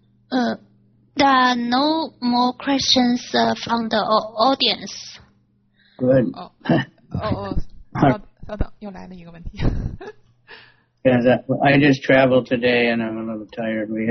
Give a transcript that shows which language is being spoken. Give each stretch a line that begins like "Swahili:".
English: There are no more questions from the audience. Good.
Chinese: Oh, 稍等，又来了一个问题。
English: Yeah, I just traveled today and I'm a little tired.